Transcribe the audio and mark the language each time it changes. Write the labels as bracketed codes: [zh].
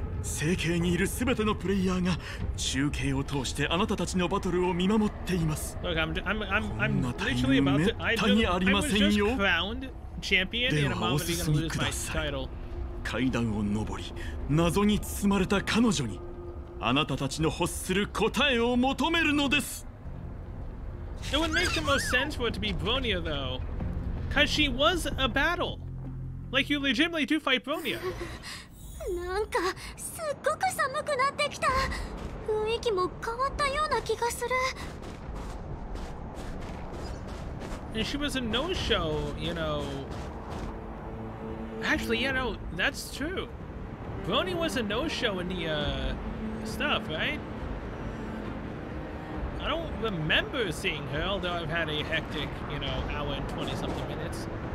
[ja] 星系にいるすべてのプレイヤーが中継を通してあなたたちのバトルを見守っています。こんなタイミングめったにありませんよ。ではお進みください。階段を上り、謎に包まれた彼女にあなたたちの欲する答えを求めるのです。 [en] It would make the most sense for it to be Bronia though, cause she was a battle. Like you legitimately do fight Bronia. [ja] なんかすっごく寒くなってきた。雰囲気も変わったような気がする。 [en] And she was a no-show, you know. Actually, you know, that's true. Brony was a no-show in the, stuff, right? I don't remember seeing her, although I've had a hectic, you know, hour and 20-something minutes.